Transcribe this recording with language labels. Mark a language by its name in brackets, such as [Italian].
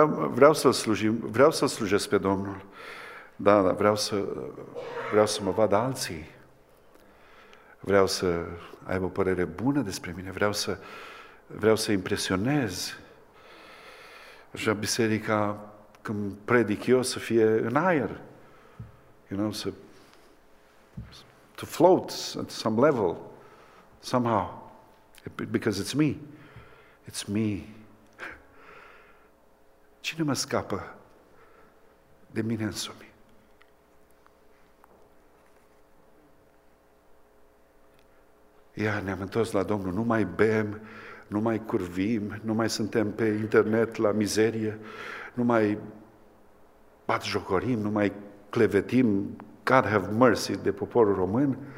[Romanian] Vreau să-L slujim, vreau să-L slujesc pe Domnul, dar vreau să mă vadă alții, vreau să aibă o părere bună despre mine, vreau să vreau să impresionez. Așa biserica, când predic eu, să fie în aer. [English] You know, to float at some level, somehow. Because it's me. It's me. [Romanian] Cine mă scapă de mine însumi? Ia, ne-am întors la Domnul, nu mai bem, nu mai curvim, nu mai suntem pe internet la mizerie, nu mai batjocorim, nu mai clevetim, [English] God have mercy, [Romanian] de poporul român.